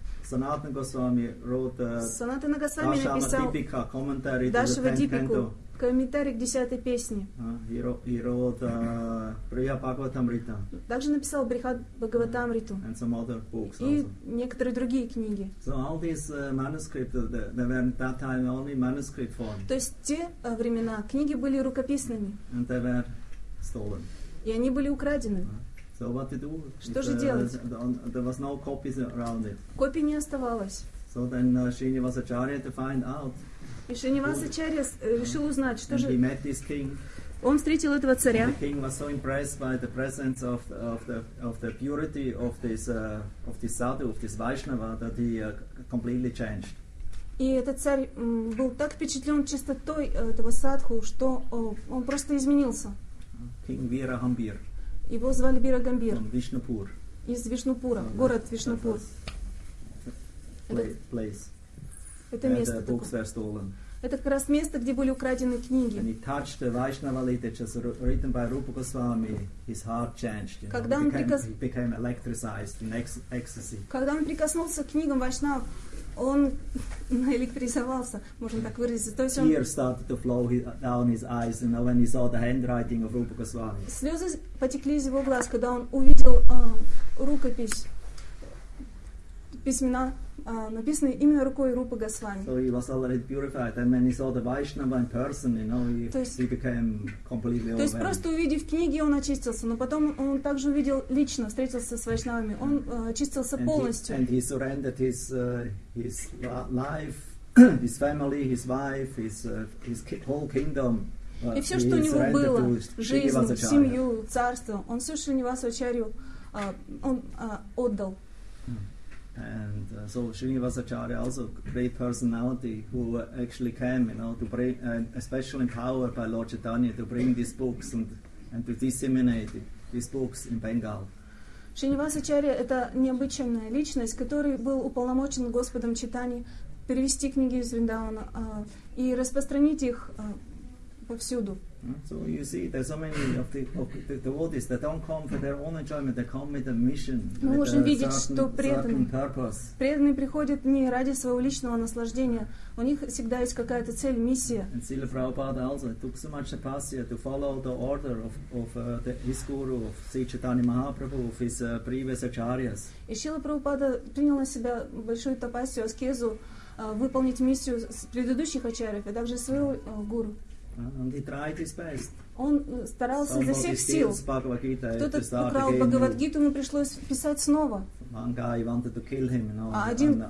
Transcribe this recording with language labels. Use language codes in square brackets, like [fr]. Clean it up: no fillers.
[en] Санатана Госвами wrote [ru] Санатана Госвами написал Дашава Дипику, комментарий к десятой песне. [en] He wrote Брихад Бхагаватамрита. [ru] Также написал Брихад Бхагаватамриту. [en] And some other books. [ru] И некоторые другие книги. [en] So all these manuscripts, they were at that time only manuscript form. [ru] То есть те времена книги были рукописными. [en] And they were stolen. [ru] И они были украдены. [en] So what to do? [ru] Что же делать? [en] There was no copies around it. [ru] Копий не оставалось. [en] So then Shrinivas Acharya to find out. [ru] И Шринивас Ачарья решил узнать, что же. [en] He met this king. [ru] Он встретил этого царя. [en] And the king was so impressed by the presence of the purity of this sadhu, of this Vaishnava, that he completely changed. [ru] И этот царь был так впечатлен чистотой этого садху, что он просто изменился. [en] King Virahambir. [ru] Его звали Бирагамбир. Вишнупур. Из Вишнупура, yeah, город Вишнупур. Это место. [en] And books were stolen. [ru] Это как раз место, где были украдены книги. [en] And he touched the Vaishnava literature written by Rupa Goswami. His heart changed. [ru] Когда он [en] became electrified in ecstasy. [ru] Когда он прикоснулся к книгам Вайшнав, он наэлектризовался, можно так выразиться. То есть он. [en] Tears started to flow down his eyes, you know, when he saw the handwriting of Rupa Goswami. [ru] Слезы потекли из его глаз, когда он увидел рукопись, письмена, написанные именно рукой Рупы Госвами. [en] So he was already purified, and when he saw the Vaishnava in person, you know, he became completely overwhelmed. [ru] То есть просто увидев книги, он очистился, но потом он также увидел лично, встретился с Вайшнавами, он очистился полностью. [en] And he surrendered his life, his family, his wife, his whole kingdom. [ru] И все, что у него было, жизнь, семью, царство, он все, что у него Ачарью, он отдал. [en] And so Srinivas Acharya, also great personality, who actually came, you know, to bring, especially empowered by Lord Chaitanya, to bring these books and to disseminate these books in Bengal. [ru] Srinivas Acharya – это необычная личность, который был уполномочен Господом Чайтаньей перевести книги из Вриндавана и распространить их повсюду. [en] So you see, there's so many of the devotees that don't come for their own enjoyment, they come with a mission. [ru] Мы можем видеть, что преданные приходят не ради своего личного наслаждения. У них всегда есть какая-то цель, миссия. [en] And Srila Prabhupada also took so much tapasya to follow the order of his guru, of Sri Chaitanya Mahaprabhu, of his previous acharyas. [ru] И Шрила Прабхупада принял на себя большую тапасию, аскезу, выполнить миссию с предыдущих ачарьев, а также своего гуру. [en] And he tried his best. [ru] Он старался изо всех сил. Кто-то украл Бхагавад-гиту, ему пришлось писать снова. [en] One guy wanted to kill him, you know, [ru] один...